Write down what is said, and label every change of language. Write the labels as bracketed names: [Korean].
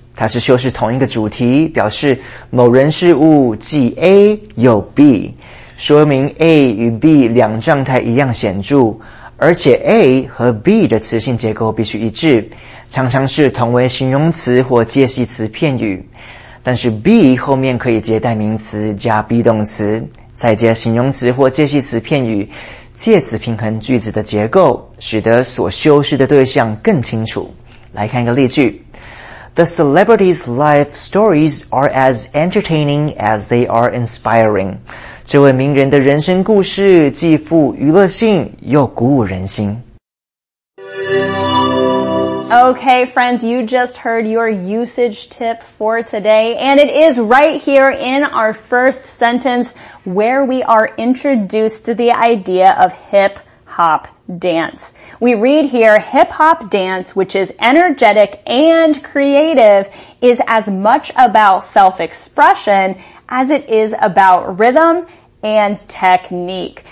[Chinese] 它是修饰同一个主题，表示某人事物既 A 又 B， 说明 A 与 B 两状态一样显著，而且 A 和 B 的词性结构必须一致，常常是同为形容词或介系词片语，但是 B 后面可以接代名词加 be 动词，再接形容词或介系词片语，借此平衡句子的结构，使得所修饰的对象更清楚。来看一个例句。 [English] The celebrities' life stories are as entertaining as they are inspiring. [Chinese] 这位名人的人生故事既富娱乐性又鼓舞人心。 [English] Okay, friends, you just heard your usage tip for today, and it is right here in our first sentence where we are introduced to the idea of hip hop dance. We read here, hip hop dance, which is energetic and creative, is as much about self-expression as it is about rhythm and technique.